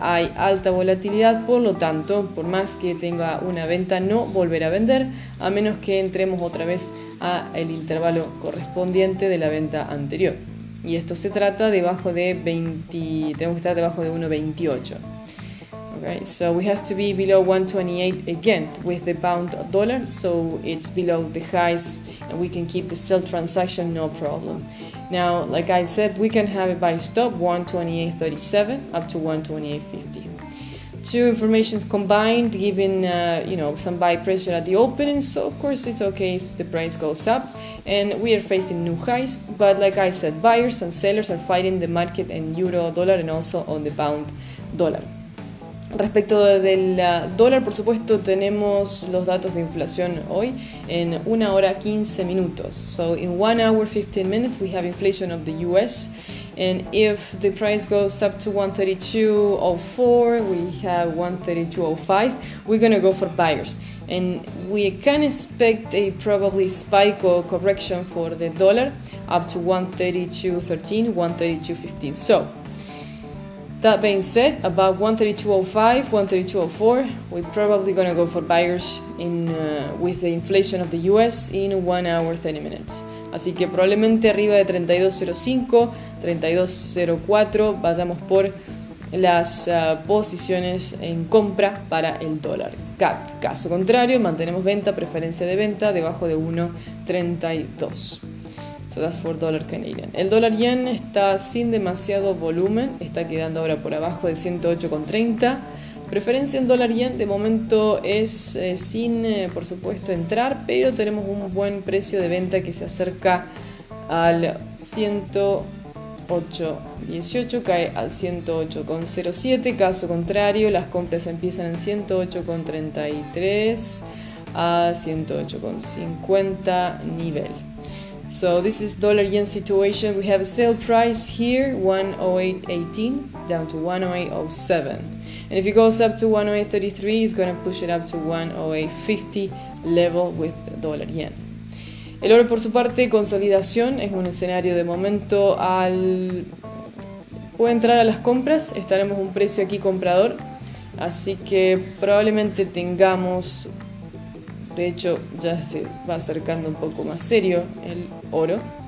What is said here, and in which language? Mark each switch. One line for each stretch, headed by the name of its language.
Spanish: Hay alta volatilidad, por lo tanto, por más que tenga una venta, no volverá a vender a menos que entremos otra vez a el intervalo correspondiente de la venta anterior, y esto se trata debajo de 20, tenemos que estar debajo de 1.28.
English: Okay, so we have to be below 1.28 again with the pound dollar, so it's below the highs and we can keep the sell transaction, no problem. Now, like I said, we can have a buy stop 1.2837 up to 1.2850. Two informations combined giving you know, some buy pressure at the opening, so of course it's okay if the price goes up and we are facing new highs, but like I said, buyers and sellers are fighting the market in euro dollar and also on the pound dollar.
Spanish: Respecto del dólar, por supuesto, tenemos los datos de inflación hoy en 1 hora 15 minutos.
English: So in 1 hour 15 minutes we have inflation of the US, and if the price goes up to 132.04, we have 132.05, we're going to go for buyers. And we can expect a probably spike or correction for the dollar up to 132.13, 132.15. So That being said, about 132.05, 132.04, we're probably going to go for buyers in with the inflation of the US in 1 hour 30 minutes.
Spanish: Así que probablemente arriba de 32.05, 32.04 vayamos por las posiciones en compra para el dólar. Caso contrario, mantenemos venta, preferencia de venta, debajo de 1.32.
English: So that's for dollar Canadian.
Spanish: El dólar yen está sin demasiado volumen, está quedando ahora por abajo de 108.30. Preferencia en dólar yen de momento es sin, por supuesto, entrar, pero tenemos un buen precio de venta que se acerca al 108.18, cae al 108.07. Caso contrario, las compras empiezan en 108.33 a 108.50 nivel.
English: So this is dollar yen situation. We have a sale price here, 108.18, down to 108.07. And if it goes up to 108.33, it's going to push it up to 108.50 level with dollar yen.
Spanish: El oro, por su parte, consolidación, es un escenario de momento al... Puede entrar a las compras, estaremos un precio aquí comprador, así que probablemente tengamos... De hecho, ya se va acercando un poco más serio el oro.